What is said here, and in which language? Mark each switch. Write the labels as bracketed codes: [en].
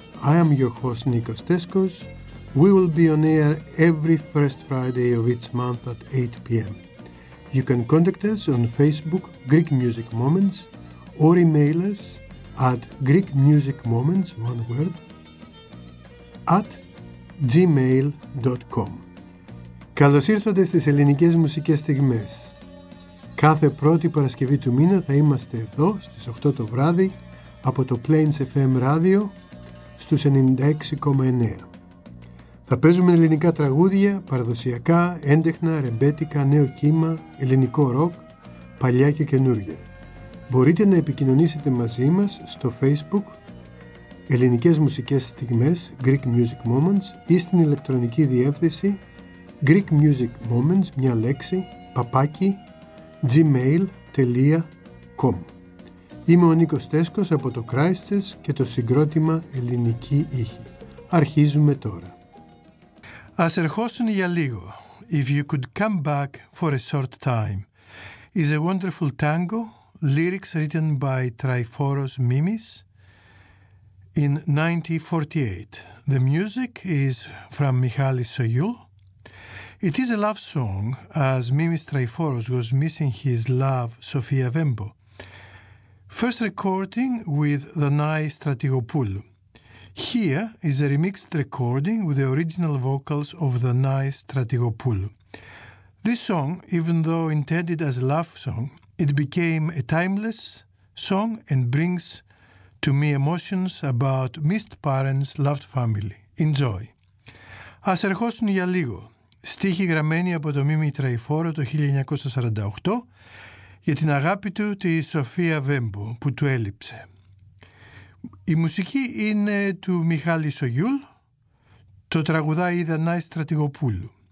[en] I am your host Nikos Teskos. We will be on air every first Friday of each month at 8 p.m. You can contact us on Facebook, Greek Music Moments, or email us at Greek Music Moments, one word, at gmail.com. [el] Καλώς ήρθατε στις ελληνικές μουσικές στιγμές. Κάθε πρώτη Παρασκευή του μήνα θα είμαστε εδώ στις 8 το βράδυ από το Plains FM Radio στους 96,9. Θα παίζουμε ελληνικά τραγούδια, παραδοσιακά, έντεχνα, ρεμπέτικα, νέο κύμα, ελληνικό ροκ, παλιά και καινούργια. Μπορείτε να επικοινωνήσετε μαζί μας στο Facebook Ελληνικές Μουσικές Στιγμές Greek Music Moments ή στην ηλεκτρονική διεύθυνση Greek Music Moments, μια λέξη, παπάκι, gmail.com. Είμαι ο Νίκος Τέσκος από το Christchurch και το συγκρότημα Ελληνική Ήχη. Αρχίζουμε τώρα. [en] Ας ερχόσουν για λίγο, if you could come back for a short time, is a wonderful tango, lyrics written by Triforos Mimis in 1948. The music is from Michalis Soyoul. It is a love song, as Mimis Triforos was missing his love, Sofia Vembo. First recording with Danai Stratigopoulou. Here is a remixed recording with the original vocals of Danai Stratigopoulou. This song, even though intended as a love song, it became a timeless song and brings to me emotions about missed parents, loved family. Enjoy. [el] Ας ερχόσουν για λίγο. Στίχη γραμμένη από το Μίμη Τραϊφόρο το 1948 για την αγάπη του τη Σοφία Βέμπο που του έλειψε. Η μουσική είναι του Μιχάλη Σογιούλ, το τραγουδάει η Δανάη Στρατηγοπούλου.